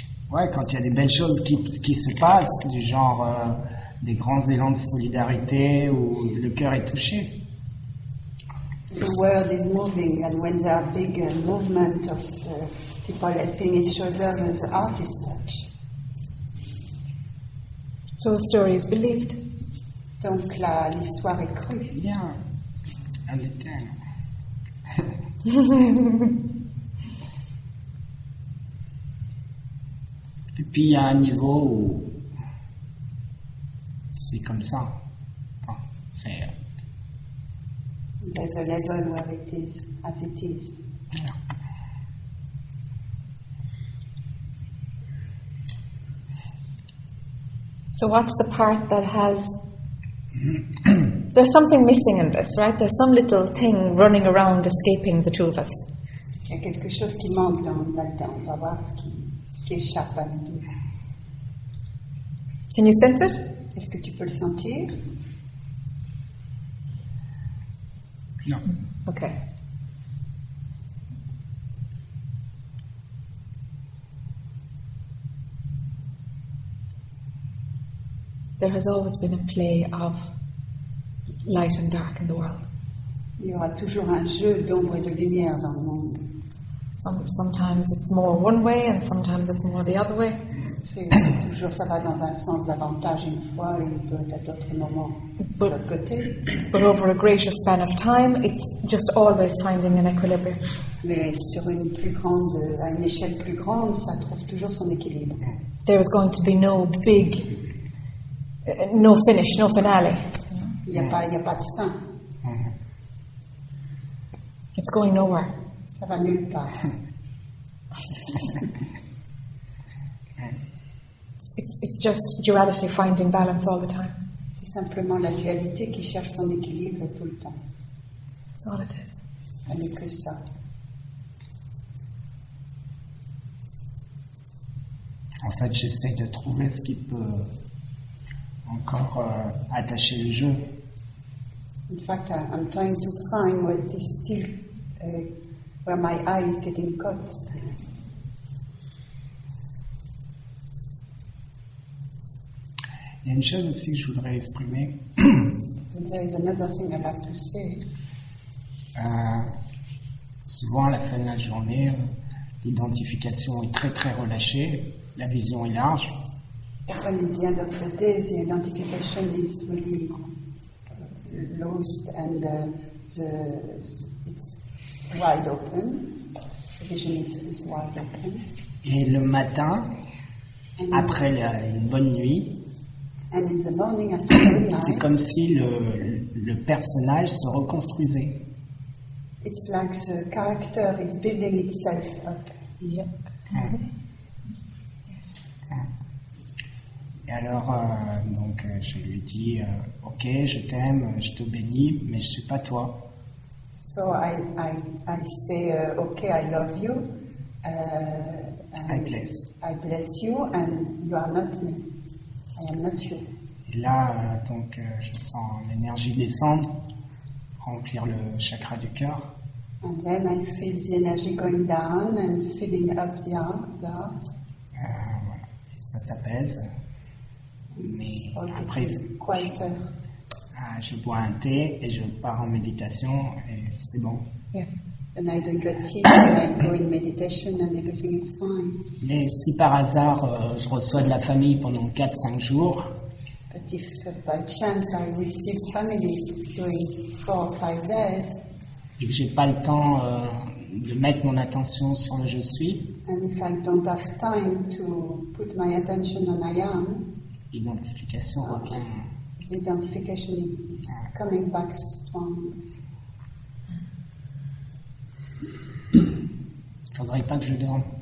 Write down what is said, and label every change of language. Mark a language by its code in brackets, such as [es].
[fr] Ouais, quand il y a des belles choses qui se passent, du genre des grands élans de solidarité où le cœur est touché. [en] The world is moving, and when there are big movement of people helping each other, the heart is touched. So the story is believed. [fr] Donc l'histoire est crue. Bien, elle l'était. Et puis il y a un niveau où c'est comme ça. Enfin, c'est. [en] There's a level where it is as it is. So what's the part that has? There's something missing in this, right? There's some little thing running around, escaping the two of us. [fr] Il y a quelque chose qui manque là-dedans. On va voir ce qui échappe à nous. [en] Can you sense it? [fr] Est-ce que tu peux le sentir? Non. [en] Okay. There has always been a play of light and dark in the world. [fr] Il y aura toujours un jeu d'ombre et de lumière dans le monde. [en] Sometimes it's more one way and sometimes it's more the other way. [fr] C'est toujours, ça va dans un sens davantage une fois et à d'autres moments de l'autre côté. [en] But over a greater span of time, it's just always finding an equilibrium. [fr] Mais sur une plus grande, à une échelle plus grande, ça trouve toujours son équilibre. [en] There is going to be no big, no finish, no finale. [fr] Il y a pas de fin. [en] It's going nowhere. [fr] Ça va nulle part. [en] It's just duality finding balance all the time. [fr] C'est simplement la dualité qui cherche son équilibre tout le temps. [en] That's all it is. [fr] Ça n'est que ça. En fait, j'essaie de trouver ce qui peut encore attacher le jeu. [en] In fact, I'm trying to find what is still where my eye is getting caught. [fr] Il y a une chose aussi que je voudrais exprimer. [en] There is another thing I'd like to say. [fr] Souvent, à la fin de la journée, l'identification est très très relâchée. La vision est large. [en] Often at the end of the day, the identification is really lost and it's wide open. The vision is wide open. [fr] Et le matin, and après une bonne nuit, [en] and in the morning, after the night, [fr] c'est comme si le personnage se reconstruisait. [en] It's like the character is building itself up. Yep. Mm-hmm. [fr] Et alors, je lui dis, ok, je t'aime, je te bénis, mais je suis pas toi. [en] So I say, ok, I love you. I bless you, and you are not me. I am not you. [fr] Et là, je sens l'énergie descendre, remplir le chakra du cœur. [en] And then I feel the energy going down and filling up the heart. [fr] Et ça s'apaise. Mais après, je bois un thé et je pars en méditation et c'est bon. [en] Yeah. And I don't get tea, I go in meditation and everything is fine. [fr] Mais si par hasard je reçois de la famille pendant 4-5 jours, [en] but if by chance I receive family during 4-5 days, [fr] et que j'ai pas le temps de mettre mon attention sur le je suis, [en] and if I don't have time to put my attention on I am, [fr] l'identification revient. [en] L'identification is coming back strong. [fr] Il faudrait pas que je dorme.